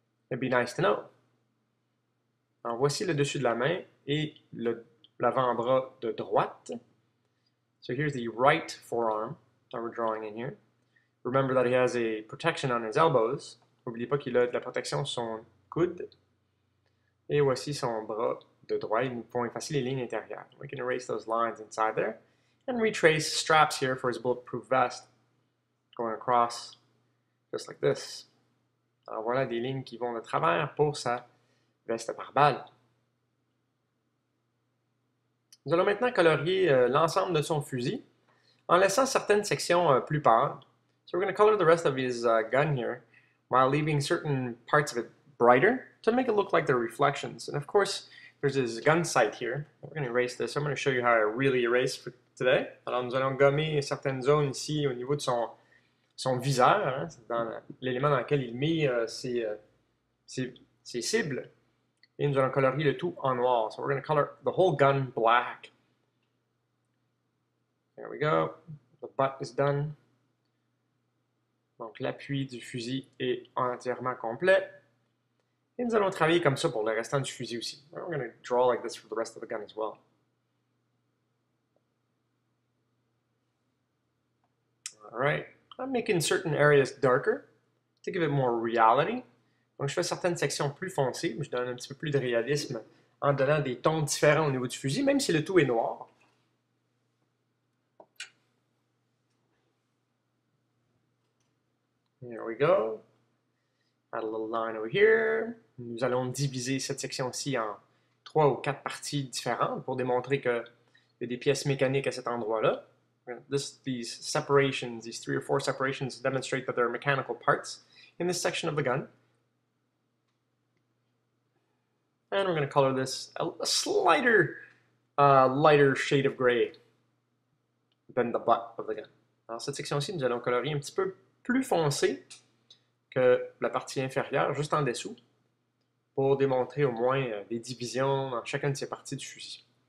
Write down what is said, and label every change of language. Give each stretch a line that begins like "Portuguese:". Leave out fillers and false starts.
English: It'd be nice to know.
French: Alors voici le dessus de la main et l'avant-bras de droite.
English: So here's the right forearm that we're drawing in here. Remember that he has a protection on his elbows.
French: N'oubliez pas qu'il a de la protection sur son coude. Et voici son bras de droite. Nous pouvons effacer les lignes intérieures.
English: We can erase those lines inside there. And retrace straps here for his bulletproof vest. Going across, just like this.
French: Alors voilà des lignes qui vont de travers pour sa veste par balle. Nous allons maintenant colorier l'ensemble de son fusil en laissant certaines sections plus pâles.
English: So we're going to color the rest of his gun here while leaving certain parts of it brighter to make it look like the reflections. And of course, there's his gun sight here. We're going to erase this. I'm going to show you how I really erase for today.
French: Alors nous allons gommer certaines zones ici au niveau de son viseur, hein, c'est dans l'élément dans lequel il mire ses cibles. Et nous allons colorier le tout en noir.
English: So we're going to color the whole gun black. There we go. The butt is done.
French: Donc l'appui du fusil est entièrement complet. Et nous allons travailler comme ça pour le restant du fusil aussi.
English: We're going to draw like this for the rest of the gun as well. All right. I'm making certain areas darker to give it more reality.
French: Donc, je fais certaines sections plus foncées, je donne un petit peu plus de réalisme en donnant des tons différents au niveau du fusil, même si le tout est noir.
English: There we go. Add a little line over here.
French: Nous allons diviser cette section-ci en trois ou quatre parties différentes pour démontrer qu'il y a des pièces mécaniques à cet endroit-là.
English: These separations, these three or four separations demonstrate that there are mechanical parts in this section of the gun. And we're going to color this a lighter shade of gray than the butt of the gun.
French: Alors cette section-ci, nous allons colorier un petit peu plus foncé que la partie inférieure, juste en dessous, pour démontrer au moins les divisions dans chacune de ces parties du fusil.